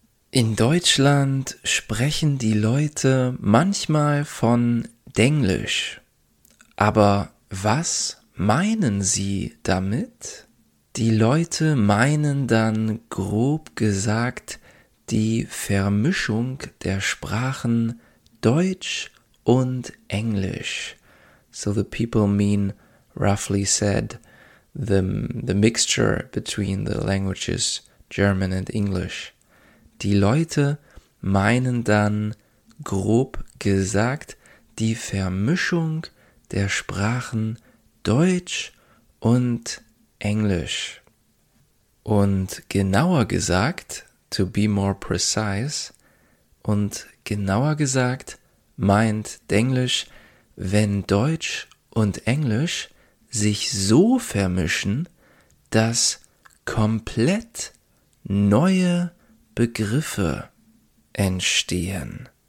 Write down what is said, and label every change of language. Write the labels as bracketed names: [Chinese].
[German] In Deutschland sprechen die Leute manchmal von Denglisch. Aber was meinen sie damit? Die Leute meinen dann grob gesagt die Vermischung der Sprachen Deutsch und Englisch. [English] So the people mean, roughly said, the mixture between the languages German and English. [German] Die Leute meinen dann, grob gesagt, die Vermischung der Sprachen Deutsch und Englisch. Und genauer gesagt, [English] to be more precise, [German] und genauer gesagt meint Denglisch, wenn Deutsch und Englisch sich so vermischen, dass komplett neue Begriffe entstehen.